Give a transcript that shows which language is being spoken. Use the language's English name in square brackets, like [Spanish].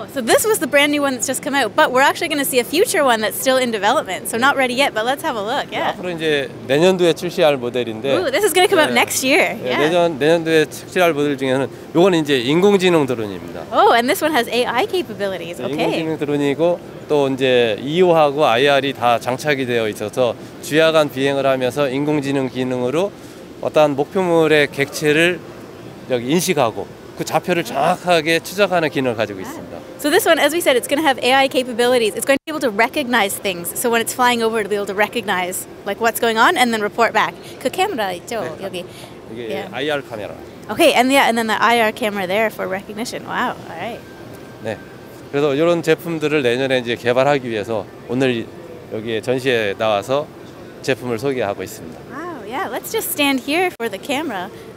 [English] Oh, so this was the brand new one that's just come out, but we're actually going to see a future one that's still in development. So not ready yet, but let's have a look. Yeah. [Korean] 앞으로 이제 내년도에 출시할 모델인데. [English] Ooh, this is going to come out next year. Yeah. [Korean] 내년도에 출시할 모델 중에는 요거는 이제 인공지능 드론입니다. [English] Oh, and this one has AI capabilities. Okay. [Korean] 인공지능 드론이고 또 이제 EO하고 IR이 다 장착이 되어 있어서 주야간 비행을 하면서 인공지능 기능으로 어떠한 목표물의 객체를 여기 인식하고 그 좌표를 정확하게 추적하는 기능을 가지고 있습니다. [English] So this one, as we said, it's going to have AI capabilities. It's going to be able to recognize things. So when it's flying over, it'll be able to recognize like what's going on and then report back. [Korean] 그 카메라 있죠, 네, 여기. 이게 yeah. IR 카메라. [English] Okay, and yeah, and then the IR camera there for recognition. Wow, all right. [Korean] 네, 그래서 이런 제품들을 내년에 이제 개발하기 위해서 오늘 여기에 전시에 나와서 제품을 소개하고 있습니다. [English] Wow, yeah, let's just stand here for the camera.